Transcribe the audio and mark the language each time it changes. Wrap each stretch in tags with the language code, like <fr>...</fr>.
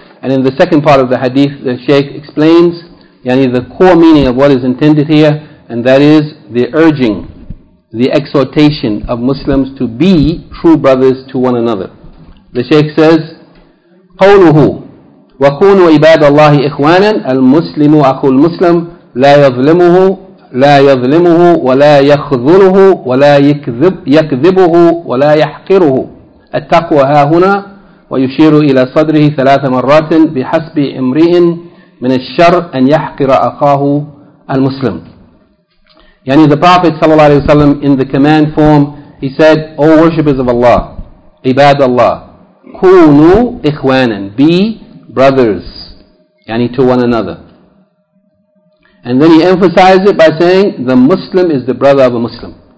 <en>And in the second part of the hadith, the Shaykh explains yani the core meaning of what is intended here, and that is the urging, the exhortation of Muslims to be true brothers to one another. The Shaykh says, قوله</en> <ar>وكونوا عباد الله إخوانا المسلم أخو المسلم لا يظلمه لا يظلمه ولا يخذله ولا يكذبه ولا يحقره. التقوى ها هنا ويشير إلى صدره ثلاث مرات بحسب امرئ من الشر أن يحقر أخاه المسلم.</ar> <en>يعني the Prophet صلى الله عليه وسلم in the command form he said, O worshippers of Allah,</en> <ar>عباد الله, كونوا إخوانا,</ar> <en>be brothers, يعني to one another. And then he emphasized it by saying, the Muslim is the brother of a Muslim.</en>